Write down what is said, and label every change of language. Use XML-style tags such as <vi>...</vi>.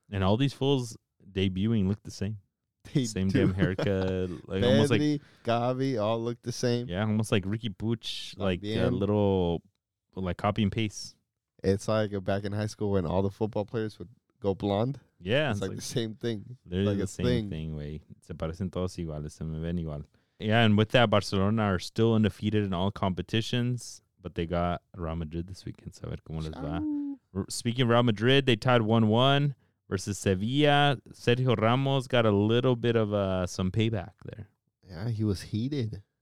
<en>And all these fools debuting look the same. They do. Damn haircut. Like Pedri, almost like Gavi all look the same. Yeah, almost like Ricky Puch, like a little like copy and paste. It's like back in high school when all the football players would go blonde. Yeah. It's like the same thing. Literally like the same thing, way.</en> <es>Se parecen todos iguales, se me ven igual.</es> <en>Yeah, and with that, Barcelona are still undefeated in all competitions, but they got Real Madrid this weekend. So</en> <es>a ver cómo les va.</es> <en>Speaking of Real Madrid, they tied 1-1. Versus Sevilla, Sergio Ramos got a little bit of some payback there. Yeah, he was heated.</en>